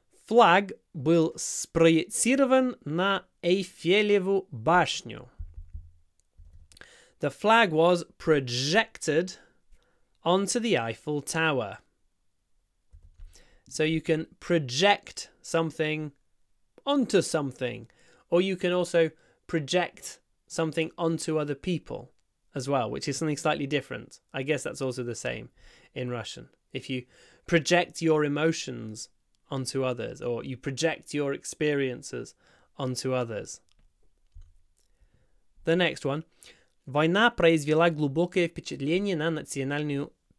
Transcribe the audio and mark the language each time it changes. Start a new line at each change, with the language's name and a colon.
Russian: Flag был спроецирован на Эйфелеву башню.
English: The flag was projected onto the Eiffel Tower. So you can project something onto something. Or you can also project something onto other people as well, which is something slightly different. I guess that's also the same in Russian. If you project your emotions onto others, or you project your experiences onto others. The next one.
Russian: Война произвела глубокое впечатление на национальную